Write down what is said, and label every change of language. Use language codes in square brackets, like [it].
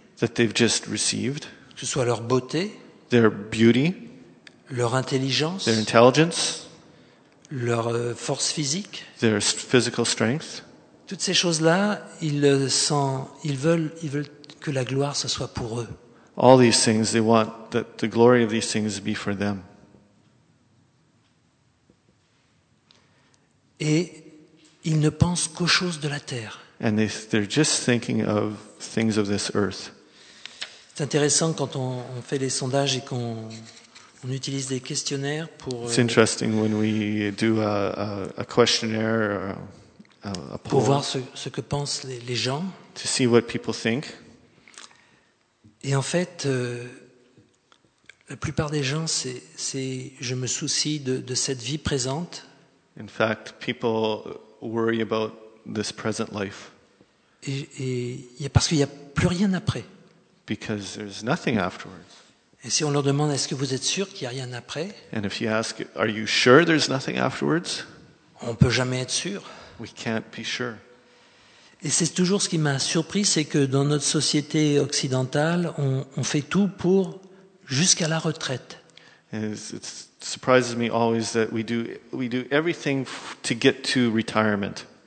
[en] That they've just received. [fr] Que ce soit leur beauté. [en] Their beauty. [fr] Leur intelligence. [en] Their intelligence. [fr] Leur force physique. [en] Their physical strength. [fr] Toutes ces choses-là, ils veulent que la gloire ce soit pour eux. [en] All these things, they want that the glory of these things be for them. [fr] Et ils ne pensent qu'aux choses de la terre. [en] And they're just thinking of things of this earth. [fr] C'est intéressant quand on fait les sondages et qu'on utilise des questionnaires pour. [en] It's interesting when we do a questionnaire or a poll. [fr] Pour voir ce que pensent les gens. [en] To see what people think. [fr] Et en fait, la plupart des gens, c'est je me soucie de cette vie présente. [en] In fact, people worry about this present life. [fr] Et parce qu'il n'y a plus rien après. [en] Because there's nothing afterwards. [fr] Et si on leur demande, est-ce que vous êtes sûr qu'il n'y a rien après? [en] And if you ask, are you sure there's nothing afterwards? [fr] On ne peut jamais être sûr. [en] We can't be sure. [fr] Et c'est toujours ce qui m'a surpris, c'est que dans notre société occidentale, on fait tout pour jusqu'à la retraite. [en] It surprises me always that we do everything to get to retirement.